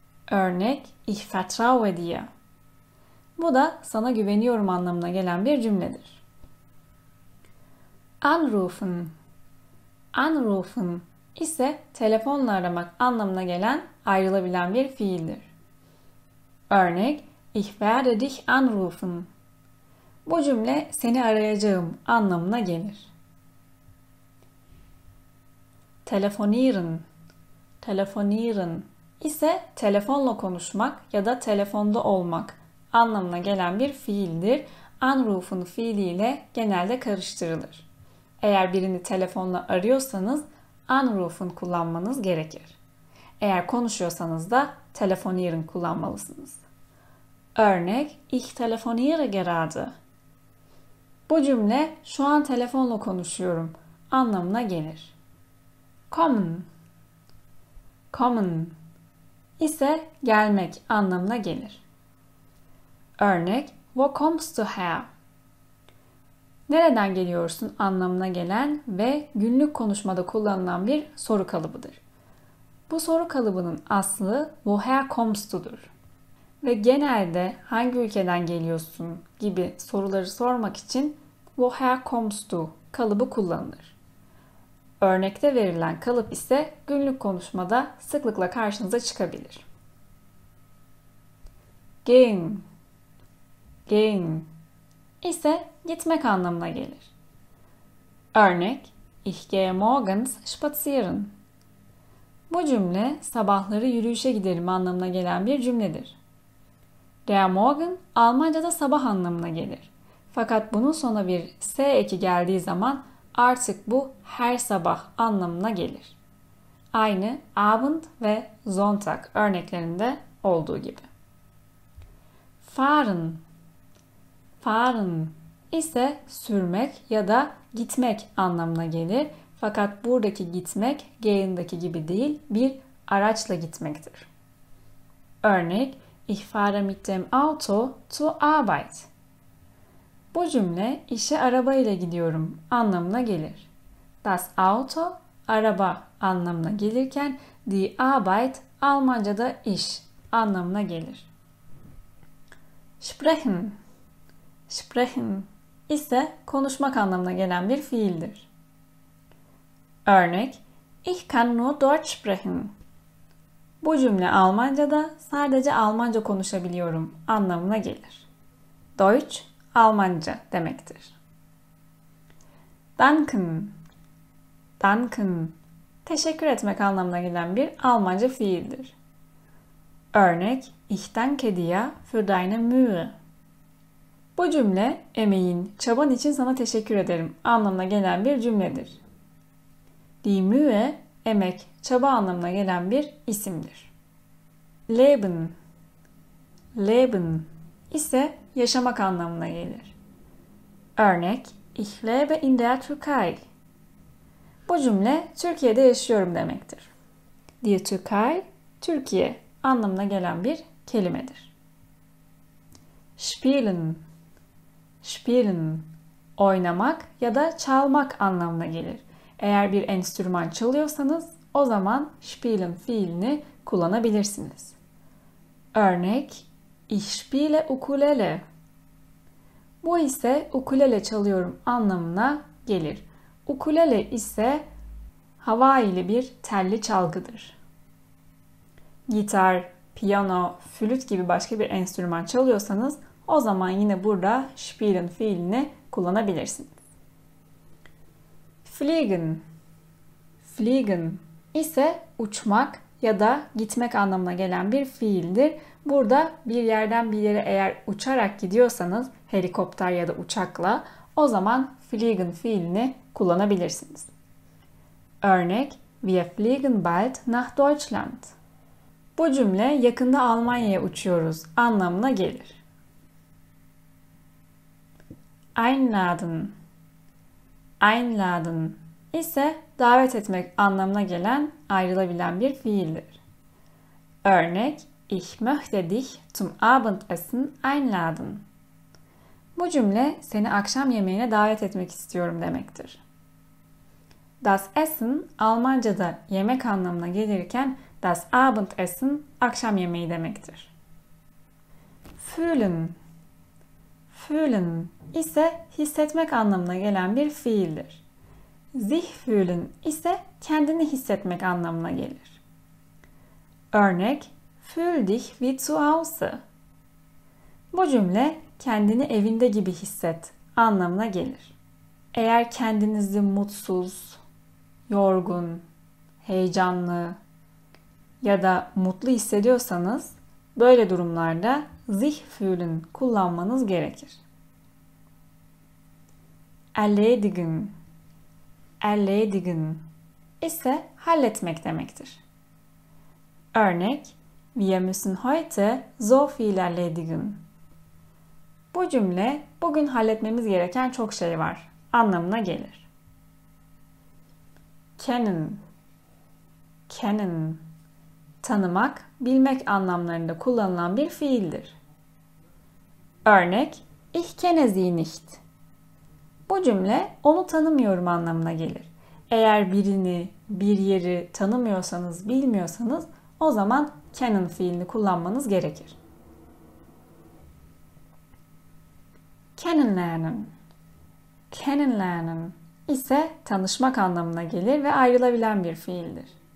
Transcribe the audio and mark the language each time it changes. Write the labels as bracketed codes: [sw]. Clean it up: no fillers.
[tr] Örnek: [de] Ich vertraue dir. [tr] Bu da sana güveniyorum anlamına gelen bir cümledir. Anrufen. Anrufen ise telefonla aramak anlamına gelen ayrılabilen bir fiildir. Örnek: [de] Ich werde dich anrufen. [tr] Bu cümle seni arayacağım anlamına gelir. Telefonieren. Telefonieren ise telefonla konuşmak ya da telefonda olmak anlamına gelen bir fiildir. Anrufen fiiliyle genelde karıştırılır. Eğer birini telefonla arıyorsanız anrufen kullanmanız gerekir. Eğer konuşuyorsanız da telefonieren kullanmalısınız. Örnek: [de] Ich telefoniere gerade. [tr] Bu cümle şu an telefonla konuşuyorum anlamına gelir. Kommen. Kommen ise gelmek anlamına gelir. Örnek: [de] Wo kommst du her? [tr] Nereden geliyorsun anlamına gelen ve günlük konuşmada kullanılan bir soru kalıbıdır. Bu soru kalıbının aslı woher kommst'dur. Ve genelde hangi ülkeden geliyorsun gibi soruları sormak için [de] woher kommst du [tr] kalıbı kullanılır. Örnekte verilen kalıp ise günlük konuşmada sıklıkla karşınıza çıkabilir. Gehen. Gehen ise gitmek anlamına gelir. Örnek: [de] Ich gehe morgens spazieren. [tr] Bu cümle sabahları yürüyüşe giderim anlamına gelen bir cümledir. Der Morgen Almanca'da sabah anlamına gelir. Fakat bunun sona bir s eki geldiği zaman artık bu her sabah anlamına gelir. Aynı Abend ve Sonntag örneklerinde olduğu gibi. Fahren. Fahren ise sürmek ya da gitmek anlamına gelir. Fakat buradaki gitmek gehen'daki gibi değil, bir araçla gitmektir. Örnek: [de] Ich fahre mit dem Auto zur Arbeit. [tr] Bu cümle işe arabayla gidiyorum anlamına gelir. Das Auto araba anlamına gelirken die Arbeit Almanca'da iş anlamına gelir. Sprechen. Sprechen ise konuşmak anlamına gelen bir fiildir. Örnek: [de] Ich kann nur Deutsch sprechen. [tr] Bu cümle Almanca'da sadece Almanca konuşabiliyorum anlamına gelir. Deutsch, Almanca demektir. Danken. Danken, teşekkür etmek anlamına gelen bir Almanca fiildir. Örnek: [de] Ich danke dir für deine Mühe. [tr] Bu cümle emeğin, çaban için sana teşekkür ederim anlamına gelen bir cümledir. Die Mühe, emek, çaba anlamına gelen bir isimdir. Leben. Leben ise yaşamak anlamına gelir. Örnek: [de] Ich lebe in der Türkei. [tr] Bu cümle Türkiye'de yaşıyorum demektir. Die Türkei, Türkiye anlamına gelen bir kelimedir. Spielen. Spielen, oynamak ya da çalmak anlamına gelir. Eğer bir enstrüman çalıyorsanız o zaman spielen fiilini kullanabilirsiniz. Örnek: [de] Ich spiele ukulele. [tr] Bu ise ukulele çalıyorum anlamına gelir. Ukulele ise havai ile bir telli çalgıdır. gitar, piyano, flüt gibi başka bir enstrüman çalıyorsanız o zaman yine burada spielen fiilini kullanabilirsiniz. Fliegen. Fliegen ise uçmak ya da gitmek anlamına gelen bir fiildir. Burada bir yerden bir yere eğer uçarak gidiyorsanız helikopter ya da uçakla o zaman fliegen fiilini kullanabilirsiniz. Örnek: [de] Wir fliegen bald nach Deutschland. [tr] Bu cümle yakında Almanya'ya uçuyoruz anlamına gelir. Einladen. Einladen ise davet etmek anlamına gelen ayrılabilen bir fiildir. Örnek: [de] Ich möchte dich zum Abendessen einladen. [tr] Bu cümle seni akşam yemeğine davet etmek istiyorum demektir. Das Essen Almanca'da yemek anlamına gelirken das Abendessen akşam yemeği demektir. Fühlen. Fühlen ise hissetmek anlamına gelen bir fiildir. Sich fühlen ise kendini hissetmek anlamına gelir. Örnek: [de] Fühl dich wie zu Hause. [tr] Bu cümle kendini evinde gibi hisset anlamına gelir. Eğer kendinizi mutsuz, yorgun, heyecanlı ya da mutlu hissediyorsanız böyle durumlarda sich fühlen kullanmanız gerekir. Erledigen. Erledigen ise halletmek demektir. Örnek: [de] Wir müssen heute so viel erledigen. [tr] Bu cümle bugün halletmemiz gereken çok şey var anlamına gelir. Kennen. Kennen. Tanımak, bilmek anlamlarında kullanılan bir fiildir. Örnek: [de] Ich kenne sie nicht. [tr] Bu cümle onu tanımıyorum anlamına gelir. Eğer birini, bir yeri tanımıyorsanız, bilmiyorsanız o zaman kennen fiilini kullanmanız gerekir. Kennenlernen. Kennenlernen ise tanışmak anlamına gelir ve ayrılabilen bir fiildir.